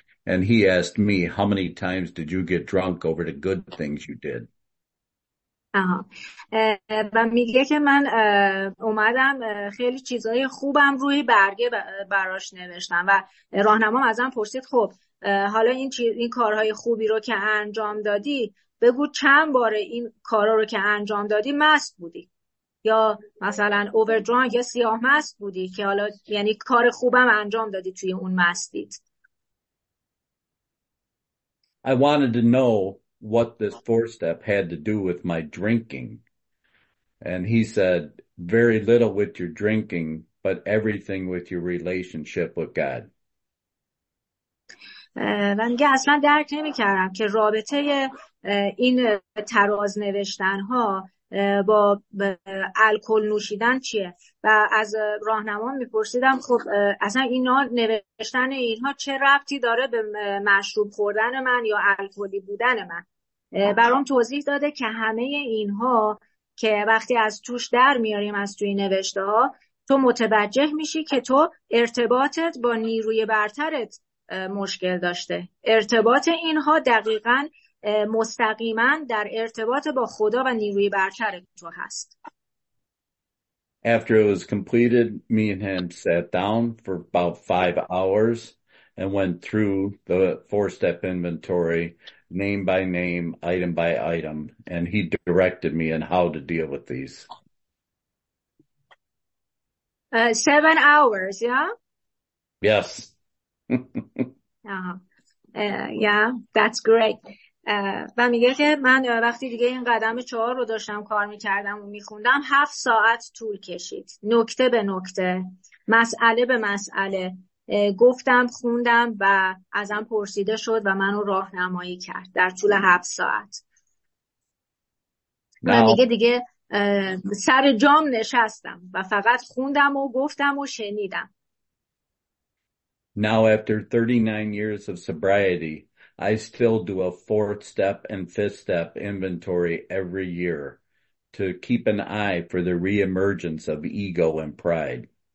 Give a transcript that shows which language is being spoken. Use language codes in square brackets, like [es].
[en] And he asked me, how many times did you get drunk over the good things you did? [fa] و میگه که من اومدم خیلی چیزای خوبم روی برگه براش نوشتم و راهنما ازم پرسید خب حالا این کارهای خوبی رو که انجام دادی بگو چند بار این کارا رو که انجام دادی مست بودی یا مثلا اووردرانک یا سیاه مست بودی که حالا یعنی کار خوبم انجام دادی توی اون مستیت. [en] I wanted to know what this fourth step had to do with my drinking. And he said, very little with your drinking, but everything with your relationship with God. [fa] من که اصلا درک نمی کردم که رابطه این تراز نوشتن ها با الکل نوشیدن چیه و از راهنمان میپرسیدم خب اصلا اینا نوشتن اینها چه ربطی داره به مشروب خوردن من یا الکلی بودن من. برام توضیح داده که همه اینها که وقتی از توش در میاریم از توی نوشته ها تو متوجه میشی که تو ارتباطت با نیروی برترت مشکل داشته. ارتباط اینها دقیقا مستقیما در ارتباط با خدا و نیروی برترت تو هست. [en] After it was completed, me and him sat down for about 5 hours and went through the four-step inventory name by name, item by item, and he directed me on how to deal with these. 7 hours, yeah? Yes. That's great. [fa] و میگه که من وقتی دیگه این قدم چهار رو داشتم کار میکردم و میخوندم 7 ساعت طول کشید. نکته به نکته، مسئله به مسئله، گفتم، خوندم و ازم پرسیده شد و منو راهنمایی کرد در طول 7 ساعت. و میگه دیگه سر جام نشستم و فقط خوندم و گفتم و شنیدم. [en] Now after 39 years of sobriety, I still do a fourth step and fifth step inventory every year to keep an eye for the reemergence of ego and pride.